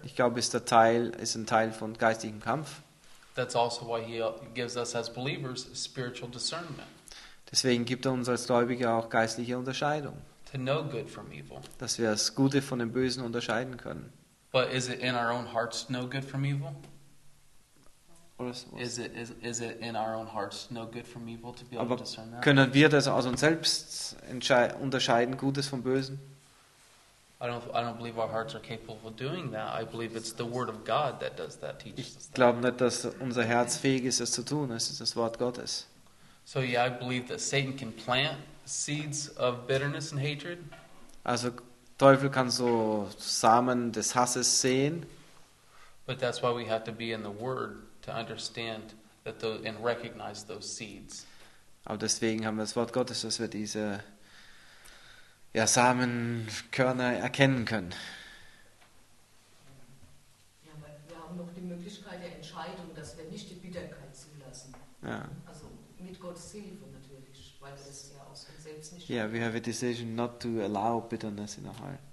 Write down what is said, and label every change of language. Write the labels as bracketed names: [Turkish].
[German] Ich glaube, ist ein Teil von geistigem Kampf. [English] That's also why he gives us as believers spiritual discernment. [German] Deswegen gibt uns als Gläubige auch geistliche Unterscheidung. [English] To know good from evil. [German] Dass wir das Gute von dem Bösen unterscheiden können. [English] But is it in our own hearts to know good from evil? [German] Können wir das aus uns selbst unterscheiden, Gutes vom Bösen? [English] I don't believe our hearts are capable of doing that. I believe it's the Word of God that does that, teaches us that. [German] Ich glaube nicht, dass unser Herz fähig ist, es zu tun. Es ist das Wort Gottes. [English] So yeah, I believe that Satan can plant seeds of bitterness and hatred. [German] Also Teufel kann so Samen des Hasses sehen. [English] But that's why we have to be in the Word to understand that and recognize those seeds. [German] Aber deswegen haben wir das Wort Gottes, dass wir diese Samenkörner erkennen können. Ja, aber wir haben noch die Möglichkeit, eine Entscheidung, dass wir nicht die Bitterkeit zulassen. Ja. Also mit Gottes Hilfe natürlich, weil wir es ja aus uns selbst nicht. [English] Yeah, we have a decision not to allow bitterness in our heart.